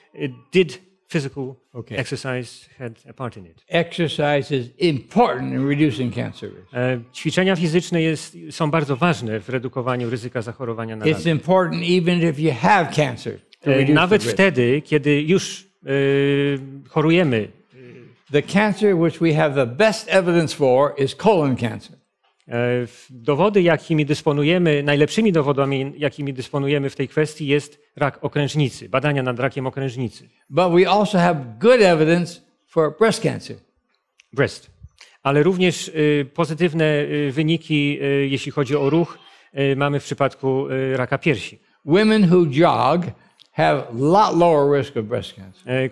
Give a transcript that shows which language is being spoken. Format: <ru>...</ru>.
<en>It did physical exercise had a part in it. Exercise is important in reducing cancer.</en> <pl>Ćwiczenia fizyczne są bardzo ważne w redukowaniu ryzyka zachorowania na rak.</pl> <en>It's important even if you have cancer.</en> <pl>Nawet wtedy, kiedy już chorujemy.</pl> <en>The cancer which we have the best evidence for is colon cancer.</en> <pl>Dowody, jakimi dysponujemy, najlepszymi dowodami, jakimi dysponujemy w tej kwestii, jest rak okrężnicy, badania nad rakiem okrężnicy.</pl> <en>But we also have good evidence for breast cancer. Breast.</en> <pl>Ale również pozytywne wyniki, jeśli chodzi o ruch, mamy w przypadku raka piersi.</pl> <en>Women who jog have a lot lower risk of breast cancer.</en>